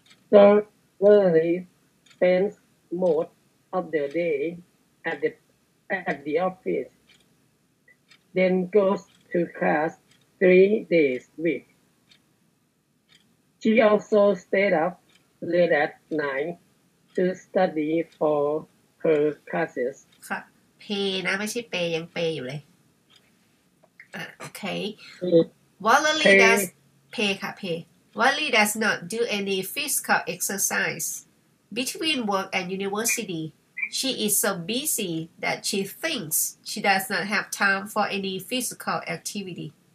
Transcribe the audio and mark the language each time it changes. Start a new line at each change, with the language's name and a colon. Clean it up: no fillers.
English: So, Valerie spends most of the day at the office. Then goes to class 3 days a week. She also stayed up late at night. To study for her classes.
Thai: ค่ะ pay นะไม่ใช่ pay ยัง pay อยู่เลยOkay.
English: Valerie does pay ค่ะ pay. Valerie does not do any physical exercise. Between work and university, she is so busy that she thinks she does not have time for any physical activity.